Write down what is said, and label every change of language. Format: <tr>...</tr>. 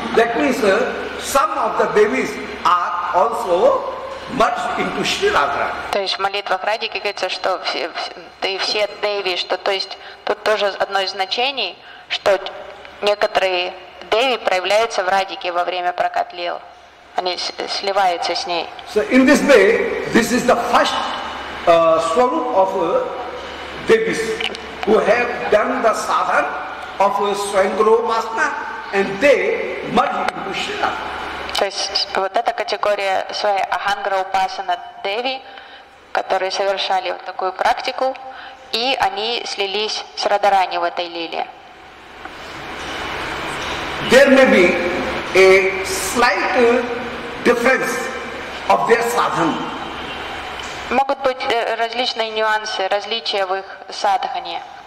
<en>That means some of the Devis are also merged into Shri Radharani.</en> <ru>То есть в молитвах Радики говорится, что ты все Деви, что то есть тут тоже одно из значений, что некоторые Деви проявляется в Радике во время прокат лил. Они сливаются с ней.</ru> <en>So in this way, this is the first swarup of Devis who have done the sadhan of Swayam Graha Upasana and they merge into Shri Radha.</en> <ru>То есть вот эта категория своей Ахан Граха Упасана Деви, которые совершали вот такую практику, и они слились с Радарани в этой лиле.</ru> <en>there may be a slight difference of their sadhana.</en> <ru>Могут быть различные нюансы, различия в их садхане.</ru>